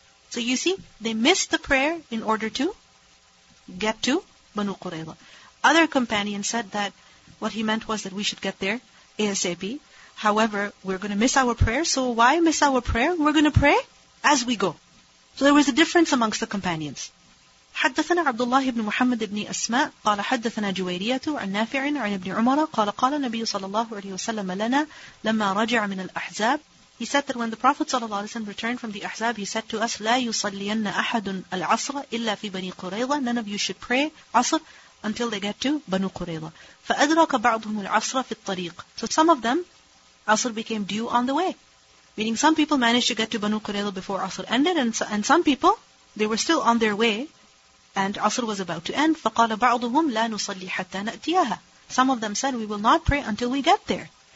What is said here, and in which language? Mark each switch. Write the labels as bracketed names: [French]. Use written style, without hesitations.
[English] So you see, they missed the prayer in order to get to Banu Qurayza. Other companions said that what he meant was that we should get there ASAP. However, we're going to miss our prayer, so why miss our prayer? We're going to pray as we go. So there was a difference amongst the companions. [Arabic] حدثنا عبد الله بن محمد بن أسماء قال حدثنا جويرية عن نافع عن ابن عمر قال قال النبي صلى الله عليه وسلم لنا لما رجع من الأحزاب. [English] He said that when the Prophet [Arabic] صلى الله عليه وسلم [English] returned from the Ahzab, he said to us, [Arabic] لا يصلين أحد العصر إلا في بني قريظة. [English] None of you should pray عصر until they get to بنو قريظة. [Arabic] فأدرك بعضهم العصر في الطريق. [English] So some of them, عصر became due on the way, meaning some people managed to get to بنو قريظة before عصر ended, and some people, they were still on their way and Asr was about to end. [Arabic] فَقَالَ بَعْضُهُمْ لَا نُصَلِّي حَتَّى نَأْتِيَهَا. [English] Some of them said, we will not pray until we get there.